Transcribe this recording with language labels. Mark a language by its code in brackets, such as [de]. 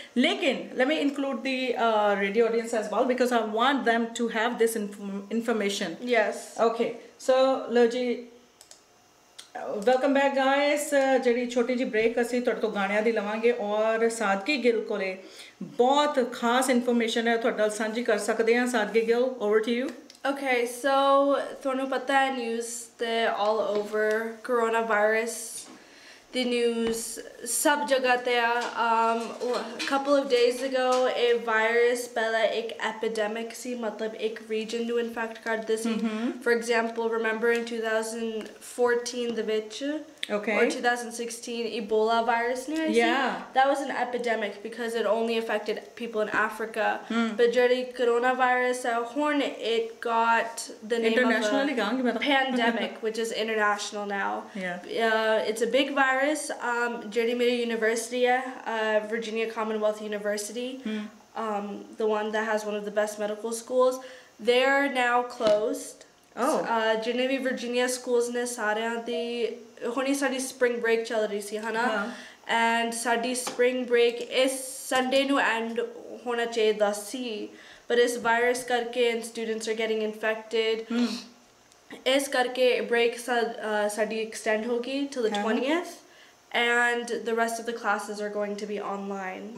[en] Lekin let me include the radio audience as well because I want them to have this information. Yes. Okay. So, lo ji, welcome back guys [pa] ਜਿਹੜੀ ਛੋਟੀ ਜਿਹੀ break ਅਸੀਂ ਤੁਹਾਡੇ ਤੋਂ ਗਾਣਿਆਂ ਦੀ ਲਵਾਂਗੇ ਔਰ ਸਾਦਗੀ ਗਿੱਲ ਕੋਲ ਬਹੁਤ ਖਾਸ ਇਨਫੋਰਮੇਸ਼ਨ ਹੈ ਤੁਹਾਡੇ ਨਾਲ ਸਾਂਝੀ ਕਰ ਸਕਦੇ ਹਾਂ ਸਾਦਗੀ Gill [en] over to you [pa] okay so ਤੁਹਾਨੂੰ ਪਤਾ ਹੈ ਨਿਊਜ਼ ਤੇ ਆਲ ਓਵਰ ਕੋਰੋਨਾ ਵਾਇਰਸ ਦੀ ਨਿਊਜ਼ ਸਭ ਜਗ੍ਹਾ ਤੇ ਆ [en] couple of days ago [pa] ਇਹ ਵਾਇਰਸ ਪਹਿਲਾਂ ਇੱਕ ਐਪੀਡੈਮਿਕ ਸੀ ਮਤਲਬ ਇੱਕ ਰੀਜਨ ਨੂੰ ਇਨਫੈਕਟ ਕਰਦੇ ਸੀ [en] for example remember in 2014 [pa] ਦੇ ਵਿੱਚ [en] Okay. Or 2016 Ebola virus near Haiti. Yeah. That was an epidemic because it only affected people in Africa. But [pa] jehdi coronavirus horn [en] it got the name internationally of a pandemic, which is international now. Yeah. It's a big virus. [pa] Jehdi mere [en] university Virginia Commonwealth University, the one that has one of the best medical schools, they are now closed. [pa] ਜਿੰਨੇ ਵੀ Virginia schools ਨੇ ਸਾਰਿਆਂ ਦੀ ਹੁਣੀ ਸਾਡੀ spring break ਚੱਲ ਰਹੀ ਸੀ ਹਨਾ and ਸਾਡੀ spring break ਇਸ ਸੰਡੇ ਨੂੰ ਐਂਡ ਹੋਣਾ ਚਾਹੀਦਾ ਸੀ ਬਟ ਇਸ ਵਾਇਰਸ ਕਰਕੇ [en] and students are getting infected [pa] ਇਸ ਕਰਕੇ ਬ੍ਰੇਕ ਸਾਡੀ ਐਕਸਟੈਂਡ ਹੋ ਗਈ till the 20th [en] and the rest of the classes are going to be online